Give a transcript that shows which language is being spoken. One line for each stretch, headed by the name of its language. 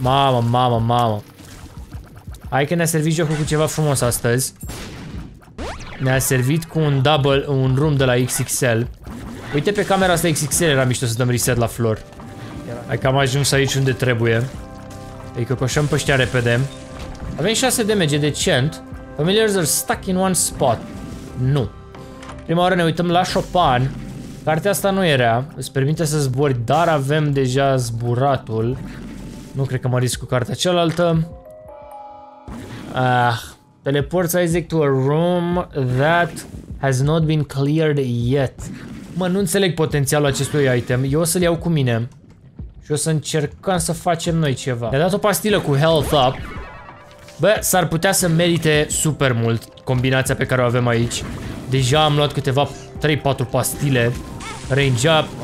Romanian: Mamă. Hai că ne-a servit jocul cu ceva frumos astăzi. Ne-a servit cu un double, un room de la XXL. Uite pe camera asta XXL, era mișto să dăm reset la floor. Hai că am ajuns aici unde trebuie. Îi cocoșăm pe ăștia repede. Avem 6 damage, decent.
English: Familiars are stuck in one spot.
Romanian: Nu. Prima oară ne uităm la Chopin. Cartea asta nu era. Îți permite să zbori, dar avem deja zburatul. Nu cred că mă risc cu cartea cealaltă.
English: Teleports Isaac to a room that has not been cleared yet.
Romanian: Mă, nu înțeleg potențialul acestui item. Eu o să-l iau cu mine. Și o să încercăm să facem noi ceva. Ne-a dat o pastilă cu health up. Bă, s-ar putea să merite super mult combinația pe care o avem aici. Deja am luat câteva 3-4 pastile. Range up.